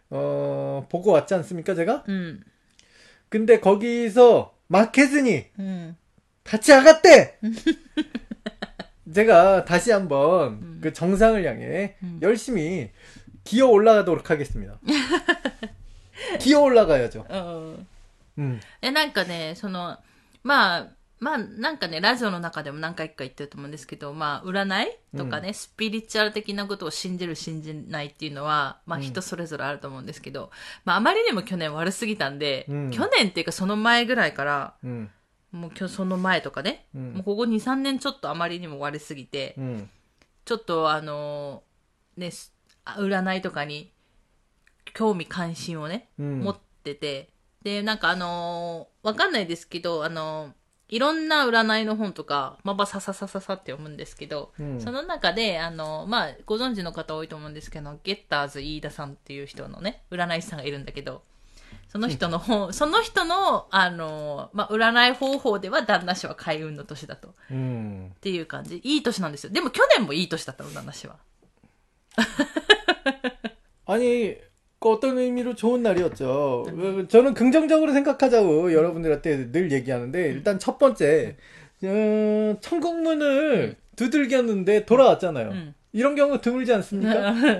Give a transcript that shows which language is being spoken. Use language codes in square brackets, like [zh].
[ko] 보고 왔지 않습니까, 제가? 응. 근데 거기서 마케즈니 응. 같이 아갔대. 제가 다시 한번 그 정상을 향해 열심히 기어 올라가도록 하겠습니다. 기어 올라가야죠. [ja] なんかね、その、まあ、まあ、なんかね、ラジオの中でも何回か言ってると思うんですけど、まあ、占いとかね、スピリチュアル的なことを信じる、信じないっていうのは、まあ、人それぞれあると思うんですけど、まあ、あまりにも去年悪すぎたんで、去年っていうかその前ぐらいから、もう今日その前とかね、もうここ2、3年ちょっとあまりにも悪すぎて、ちょっとね、占いとかに興味関心をね、持ってて、で、なんかわかんないですけど、いろんな占いの本とか、まあ、さって読むんですけど、その中で、まあ、ご存知の方多いと思うんですけど、ゲッターズ飯田さんっていう人のね、占い師さんがいるんだけど、その人の、まあ、占い方法では旦那氏は開運の年だと。っていう感じ。いい年なんですよ。でも去年もいい年だったの、旦那氏は。 [ko] 아니, 어떤 의미로 좋은 날이었죠. 저는 긍정적으로 생각하자고 여러분들한테 늘 얘기하는데, 일단 첫 번째, 천국문을 두들겼는데 돌아왔잖아요. 이런 경우 드물지 않습니까?